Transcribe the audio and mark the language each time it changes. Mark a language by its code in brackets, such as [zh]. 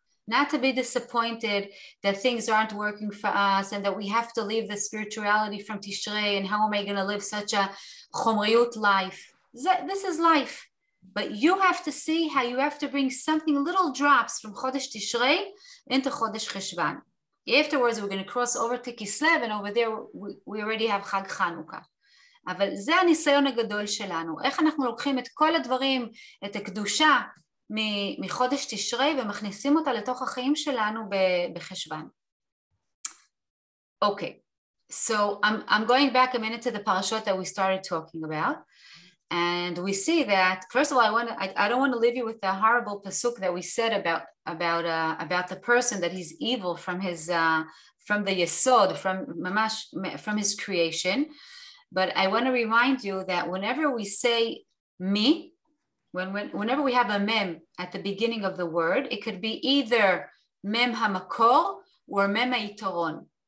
[en] Not to be disappointed that things aren't working for us and that we have to leave the spirituality from Tishrei and how am I going to live such a chomriyut life. This is life. But you have to see how you have to bring something, little drops from Chodesh Tishrei into Chodesh Cheshvan. Afterwards, we're going to cross over to Kislev and over there we already have Chag Chanukah. [he] אבל זה הניסיון הגדול שלנו. איך אנחנו לוקחים את כל הדברים, את הקדושה, מחודש תשרי ומכניסים אותה לתוך החיים שלנו בחשבן. [en] Okay, so I'm going back a minute to the parashot that we started talking about, and we see that first of all I don't want to leave you with the horrible pasuk that we said about the person that he's evil from his from the yesod, from his creation, but I want to remind you that whenever we say me, whenever we have a mem at the beginning of the word, it could be either mem hamakor or mem hayitaron.